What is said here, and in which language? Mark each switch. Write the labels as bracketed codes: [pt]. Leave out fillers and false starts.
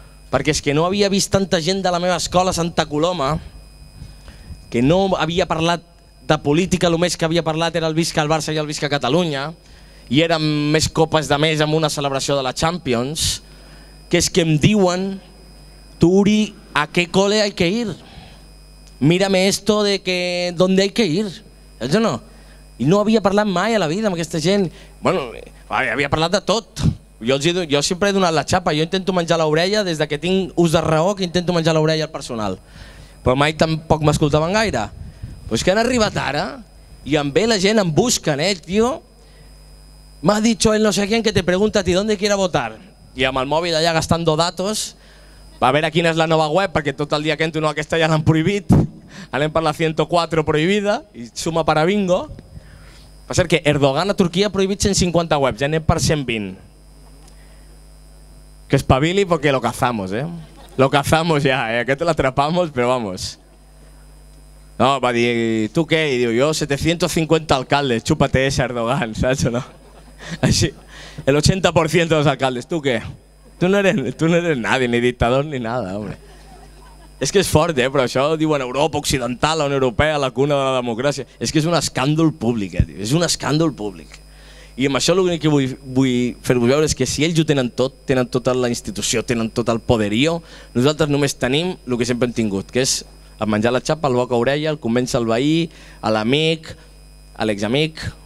[ca] Perquè és que no havia vist tanta gent de la meva escola a Santa Coloma, que no havia parlat de política, el més que havia parlat era el visca el Barça i el visca Catalunya, i érem més copes de més amb una celebració de la Champions, que és que em diuen, tu Uri, a què [es] cole hay que ir? Mírame esto de que, ¿dónde hay que ir? [ca] Saps o no? I no havia parlat mai a la vida amb aquesta gent. Bueno, havia parlat de tot. Jo sempre he donat la xapa, jo intento menjar l'orella des de que tinc ús de raó que intento menjar l'orella al personal. Però mai tampoc m'escoltaven gaire. Però és que han arribat ara i em ve la gent, em busquen, tio. M'ha dit [es] el no sé quién que te pregunta a ti dónde quiera votar. [ca] I amb el mòbil allà [es] gastando datos, [ca] va a veure quina és la nova web, perquè tot el dia que entro no, aquesta ja l'han prohibit. Anem per la 104 prohibida i [es] suma para bingo. [ca] Va ser que Erdogan a Turquia ha prohibit 150 webs, ja anem per 120. Que espavili perquè [es] lo cazamos, eh? Lo cazamos ya, eh? [ca] Aquest l'atrapamos, però [es] vamos. [ca] No, va dir, tu què? I diu, jo 750 alcaldes, [es] xúpate ese Erdogan, [ca] saps o no? Així, el 80% dels alcaldes, tu què? [es] Tu no eres nadie, ni dictador ni nada, hombre. [ca] És que és fort, eh? Però això diuen Europa Occidental, la Unió Europea, la cuna de la democràcia. És que és un escàndol públic, eh? És un escàndol públic. I amb això l'únic que vull fer-vos veure és que si ells ho tenen tota la institució, tenen tot el poderío, nosaltres només tenim el que sempre hem tingut, que és el menjar la xapa, el boca orella, el convèncer el veí, l'amic, l'examic,